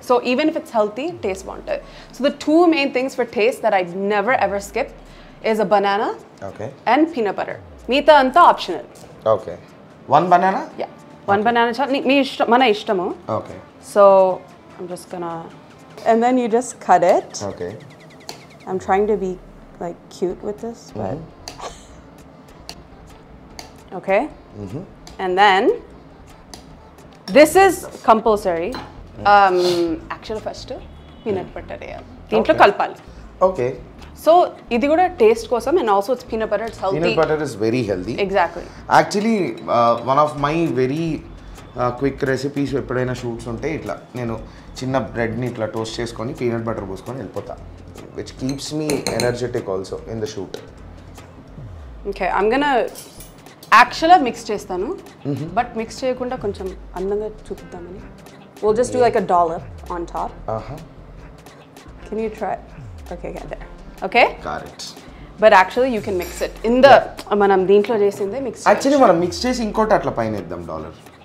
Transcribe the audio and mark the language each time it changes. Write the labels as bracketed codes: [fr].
[en] so even if it's healthy taste [te] బాగుంటుంది. [en] So the two main things for taste that I never ever skip is a banana and peanut butter. [te] మిగతా అంతా optional. [en] okay, one banana, yeah one banana [te] మీ ఇష్టం, మన ఇష్టము. [en] Okay, so I'm just gonna and then you just cut it. ఓకే, I'm trying to be like cute with this, but okay. And then this is compulsory. Actually first [te] peanut butter deentlo kalpali. [en] Okay, so [te] idi kuda taste kosam [en] and also it's peanut butter, it's healthy. Peanut butter is very healthy. Exactly, actually one of my very [te] quick recipes ఎప్పుడైనా shoots ఉంటే ఇట్లా నేను చిన్న బ్రెడ్ని ఇట్లా toast చేసుకొని peanut butter పోసుకొని వెళ్ళిపోతా, [en] Which keeps me energetic also in the shoot. [te] Okay, [en] I am gonna [te] యాక్చువల్గా మిక్స్ చేస్తాను, బట్ మిక్స్ చేయకుండా కొంచెం అందంగా చూపిద్దామని. [en] Will just do like a dollar on top. Can you try? Okay, okay, got it. But actually you can mix it in the [te] మనం దీంట్లో చేసింది mix. Actually మనం మిక్స్ చేసి ఇంకోటి అట్లా పైన ఇద్దాం డాలర్.